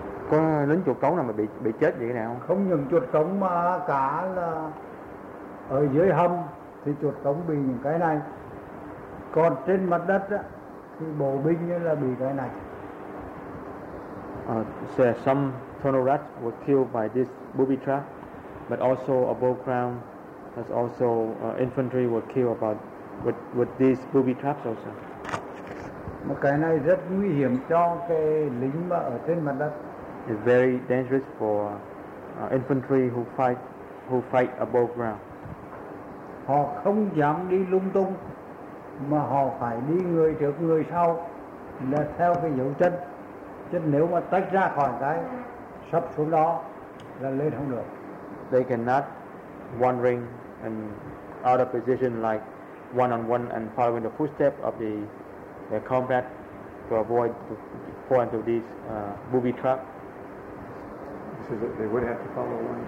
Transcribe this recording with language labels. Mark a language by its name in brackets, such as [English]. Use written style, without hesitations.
[Vietnamese] Có lính chuột cống nào mà bị chết vậy nào? Không những chuột cống mà cả là ở dưới hầm thì chuột cống bị những cái này. Còn trên mặt đất á, thì bộ binh là bị cái này. [English] Some tunnel rats were killed by this booby trap. But also above ground, as also infantry were killed with these booby traps also. [Vietnamese] Một cái này rất nguy hiểm cho cái lính mà ở trên mặt đất. [English] It's very dangerous for infantry who fight above ground. [Vietnamese] Họ không dám đi lung tung mà họ phải đi người trước người sau là theo cái dấu chân. Chứ nếu mà tách ra khỏi cái sắp xuống đó là lên không được. [English] They cannot wandering and out of position like one on one and following the footstep of the combat to avoid to fall into this booby trap. This is that they would have to follow one